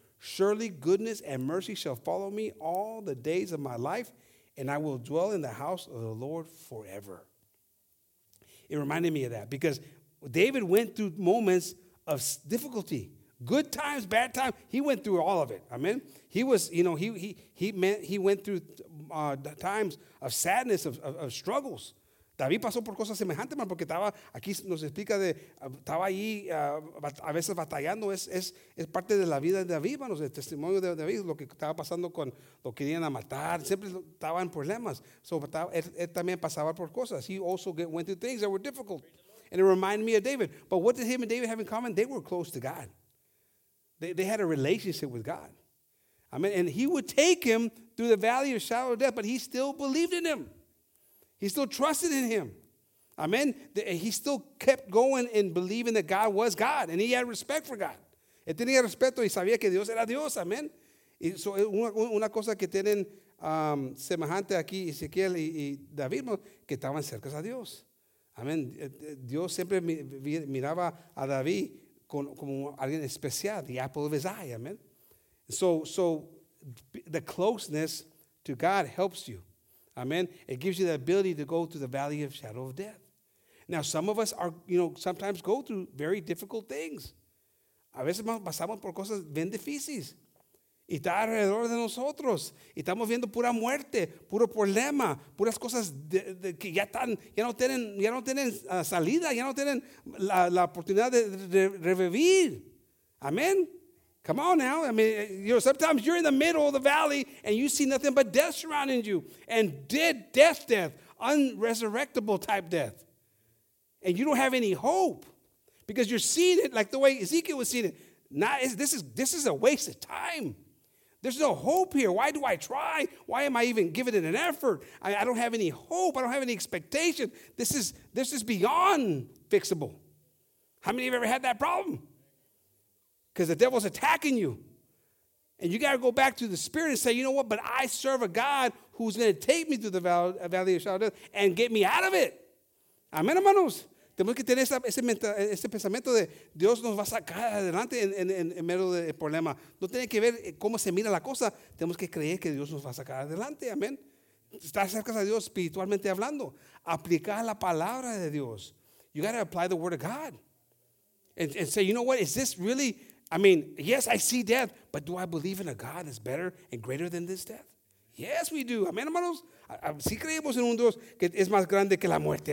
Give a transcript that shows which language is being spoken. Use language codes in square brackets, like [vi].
[en] Surely goodness and mercy shall follow me all the days of my life, and I will dwell in the house of the Lord forever. It reminded me of that because David went through moments of difficulty. Good times, bad times, he went through all of it. Amen. He was, you know, he went through times of sadness, of struggles. [es] David pasó por cosas semejantes, man, porque estaba aquí nos explica de estaba allí a veces batallando. Es parte de la vida de David, man, el testimonio de David, lo que estaba pasando con lo que querían a matar. Siempre estaban problemas. So él también pasaba por cosas. [en] He also went through things that were difficult, and it reminded me of David. But what did him and David have in common? They were close to God. They had a relationship with God. I mean, and he would take him through the valley of shadow of death, but he still believed in him. He still trusted in him. I mean, he still kept going and believing that God was God, and he had respect for God. [es] Él tenía respeto y sabía que Dios era Dios, amen. Y so, una cosa que tienen semejante aquí Ezequiel y David, que estaban cerca a Dios. [en] I mean, [es] Dios siempre miraba a David como alguien especial, [en] the apple of his eye, [es] amen. [en] So the closeness to God helps you, amen. It gives you the ability to go through the valley of shadow of death. Now, some of us are, you know, sometimes go through very difficult things. [es] A veces pasamos por cosas bien difíciles. Y está alrededor de nosotros. Y estamos viendo pura muerte, puro problema, puras cosas que ya están, ya no tienen salida, ya no tienen la oportunidad de revivir. [en] Amen. Come on now. I mean, you know, sometimes you're in the middle of the valley and you see nothing but death surrounding you. And death, unresurrectable type death. And you don't have any hope because you're seeing it like the way Ezekiel was seeing it. Now, this is a waste of time. There's no hope here. Why do I try? Why am I even giving it an effort? I don't have any hope. I don't have any expectation. This is beyond fixable. How many of you ever had that problem? Because the devil's attacking you. And you got to go back to the spirit and say, you know what? But I serve a God who's going to take me through the valley of shadow of death and get me out of it. [es] Amen, hermanos. Tenemos que tener ese pensamiento de Dios nos va a sacar adelante en medio del problema. No tiene que ver cómo se mira la cosa. Tenemos que creer que Dios nos va a sacar adelante. Amén. Estar cerca de Dios espiritualmente hablando. Aplicar la palabra de Dios. [en] You got to apply the word of God. And say, you know what? Is this really, I mean, yes, I see death, but do I believe in a God that's better and greater than this death? Yes, we do. [es] Amén, hermanos. Sí creemos en un Dios que es más grande que la muerte.